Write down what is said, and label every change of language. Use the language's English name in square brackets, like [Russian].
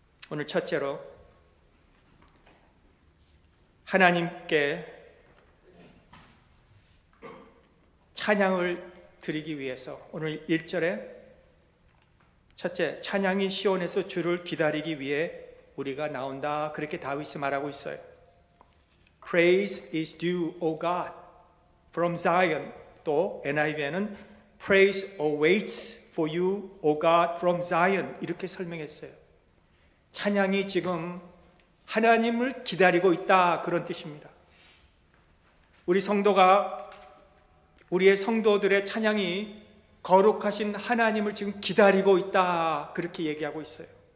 [Korean] 오늘 첫째로 하나님께 찬양을 드리기 위해서 오늘 1절에 첫째 찬양이 시온에서 주를 기다리기 위해 우리가 나온다 그렇게 다윗이 말하고 있어요. [English] Praise is due, O God, from Zion. [Korean] 또 NIV에는 [English] Praise awaits for you, O God, from Zion. [Korean] 이렇게 설명했어요. 찬양이 지금 하나님을 기다리고 있다 그런 뜻입니다. 우리 성도가 우리의 성도들의 찬양이 거룩하신 하나님을 지금 기다리고 있다 그렇게 얘기하고 있어요.